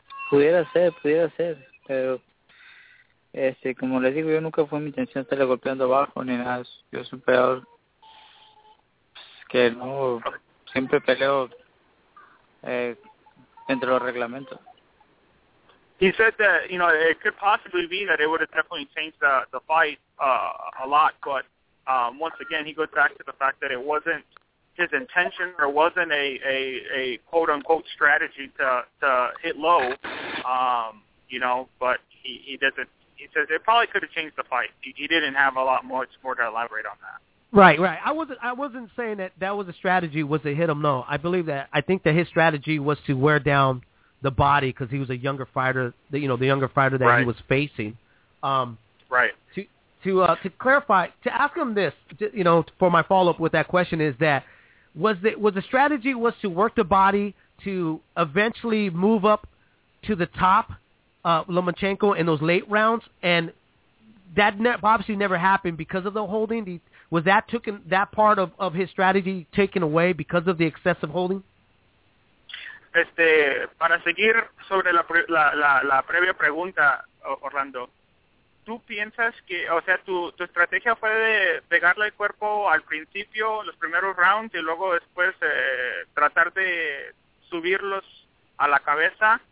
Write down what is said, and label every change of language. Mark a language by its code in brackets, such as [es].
[es] Pudiera ser, pero... como les digo, yo nunca fue mi intención estarle golpeando abajo ni nada. Yo soy un peleador que no siempre peleo entre los reglamentos. [en] He said that, you know, it could possibly be that it would have definitely changed the fight a lot, but once again, he goes back to the fact that it wasn't his intention or wasn't a quote unquote strategy to hit low, you know, but he doesn't. He says it probably could have changed the fight. He didn't have a lot much more to elaborate on that. Right. I wasn't saying that was a strategy was to hit him. No, I believe that. I think that his strategy was to wear down the body because he was a younger fighter. Right. He was facing. Right. To clarify, to ask him this, you know, for my follow up with that question is that was the strategy was to work the body to eventually move up to the top. Lomachenko in those late rounds, and that obviously never happened because of the holding. Was that taken, that part of his strategy taken away because of the excessive holding? [es] Para seguir sobre la previa pregunta, Orlando, ¿tú piensas que, o sea, tu estrategia fue de pegarle el cuerpo al principio, los primeros rounds, y luego después tratar de subirlos a la cabeza?